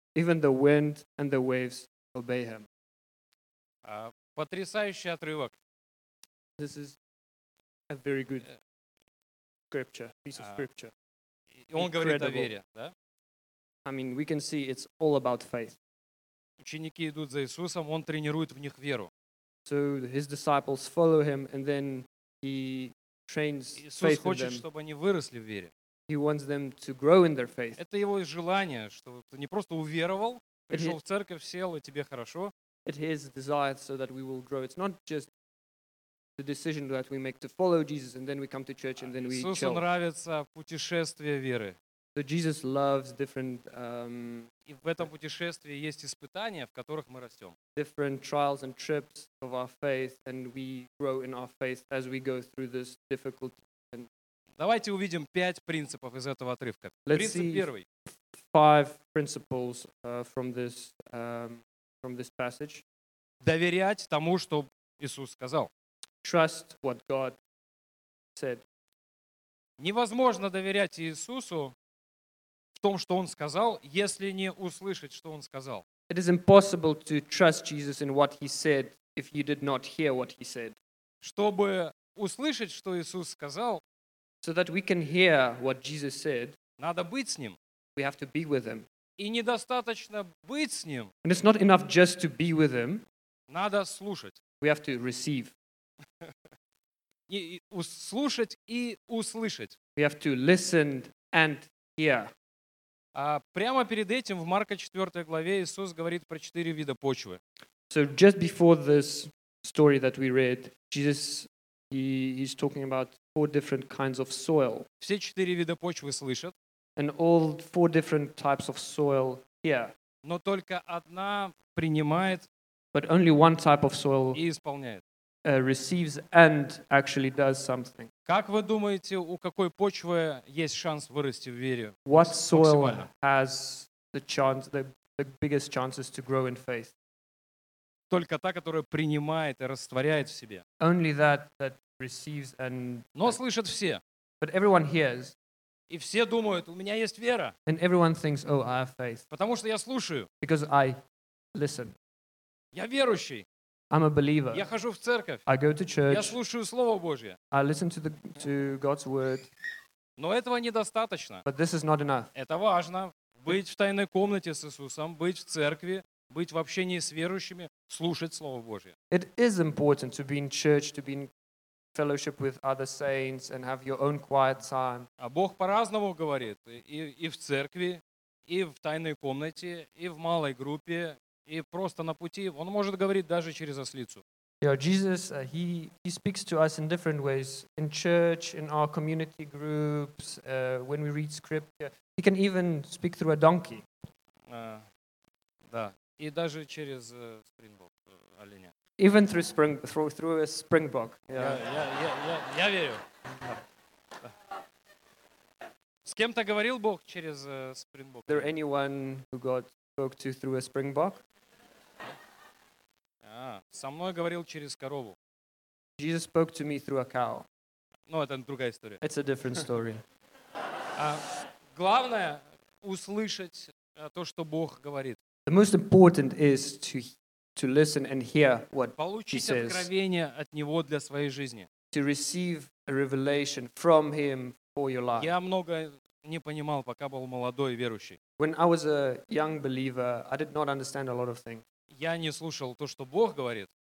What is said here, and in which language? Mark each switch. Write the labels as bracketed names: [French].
[English] Even the wind and the waves obey him. [Russian] Потрясающий отрывок. [English] This is a very good scripture, piece of scripture. [Russian] Он говорит о вере, да? [English] I mean, we can see it's all about faith. [Russian] Ученики идут за Иисусом, он тренирует в них веру. [English] So his disciples follow him and then he trains [Russian] Иисус [English] faith [Russian] хочет, [English] in them. [Russian] Чтобы они выросли в вере. [English] He wants them to grow in their faith. [Russian] Это его желание, что ты не просто уверовал, пришел в церковь, сел, и тебе хорошо. [English] It is his desire so that we will grow. It's not just the decision that we make to follow Jesus and then we come to church and then we chill. [Russian] Иисусу нравится путешествие веры. [English] So Jesus loves different... [Russian] И в этом путешествии есть испытания, в которых мы растем. [English] Different trials and trips of our faith and we grow in our faith as we go through this difficulty. And [Russian] Давайте увидим пять принципов из этого отрывка. [English] Let's see five principles from this passage. [Russian] Доверять тому, что Иисус сказал. [English] Trust what God said. [Russian] Невозможно доверять Иисусу в том, что Он сказал, если не услышать, что Он сказал. [English] It is impossible to trust Jesus in what He said if you did not hear what He said. [Russian] Чтобы услышать, что Иисус сказал, [English] so that we can hear what Jesus said, [Russian] надо быть с Ним. [English] We have to be with Him. [Russian] И недостаточно быть с Ним. [English] And it's not enough just to be with Him. [Russian] Надо слушать. [English] We have to receive. [Russian] И слушать и услышать. [English] We have to listen and hear. [Russian] Прямо перед этим в Марка 4 главе Иисус говорит про четыре вида почвы. [English] So just before this story that we read, Jesus he's talking about four different kinds of soil. [Russian] Все четыре вида почвы слышат. [English] And all four different types of soil hear. [Russian] Но только одна принимает. [English] But only one type of soil [Russian] и исполняет. [English] Receives and actually does something. [Russian] Как вы думаете, у какой почвы есть шанс вырасти в вере? [English] What soil has the chance, the biggest chances to grow in faith? [Russian] Только та, которая принимает и растворяет в себе. [English] Only that that receives and. [Russian] Но слышат все. [English] But everyone hears. [Russian] И все думают, у меня есть вера. [English] And everyone thinks, oh, I have faith. [Russian] Потому что я слушаю. [English] Because I listen. [Russian] Я верующий. [English] I'm a believer. [Russian] Я хожу в церковь. [English] I go to church. [Russian] Я слушаю Слово Божье. [English] I listen to God's word. [Russian] Но этого недостаточно. [English] But this is not enough. [Russian] Это важно. Быть в тайной комнате с Иисусом, быть в церкви, быть в общении с верующими, слушать Слово Божье. [English] It is important to be in church, to be in fellowship with other saints and have your own quiet time. [Russian] А Бог по-разному говорит. И в церкви, и в тайной комнате, и в малой группе. И просто на пути он может говорить даже через ослицу. [English] Yeah, Jesus, he speaks to us in different ways, in church, in our community groups, when we read scripture. He can even speak through a donkey. [Russian] Да. И даже через спрингбок, оленя. [English] Even through through a springbok. Yeah. [Russian] Я верю. С кем-то говорил Бог через спрингбок? [English] Is there anyone who God spoke to through a springbok? [Russian] Со мной говорил через корову. [English] Jesus spoke to me through a cow. [Russian] Но это другая история. [English] It's a different story. [Russian] Главное услышать то, что Бог говорит. [English] The most important is to listen and hear what [Russian] Получить [English] he says. [Russian] Получить откровение от него для своей жизни. [English] To receive a revelation from him for your life. [Russian] Я много не понимал, пока был молодой верующий. [English] When I was a young believer, I did not understand a lot of things. [Russian] Я не слушал то, что Бог говорит.